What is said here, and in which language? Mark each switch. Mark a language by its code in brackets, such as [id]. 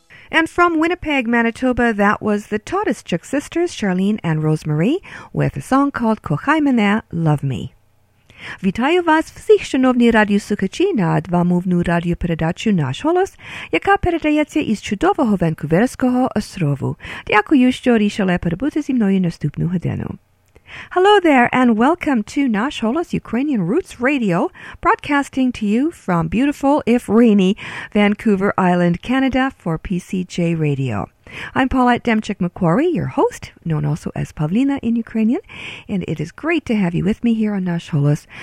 [en] And from Winnipeg, Manitoba, that was the Tortoise Chick Sisters, Charlene and Rosemarie, with a song called Kochaj Mene, Love Me. [uk] Вітаю вас всіх, шановні радіослухачі, на двомовну радіопередачу «Наш голос», яка передається із чудового Ванкуверського острову. Дякую, що рішили перебути зі мною наступну годину. [en] Hello there, and welcome to Nash Holos Ukrainian Roots Radio, broadcasting to you from beautiful, if rainy, Vancouver Island, Canada, for PCJ Radio. I'm Paulette Demchik-McQuarrie, your host, known also as Pavlina in Ukrainian, and it is great to have you with me here on Nash Holos.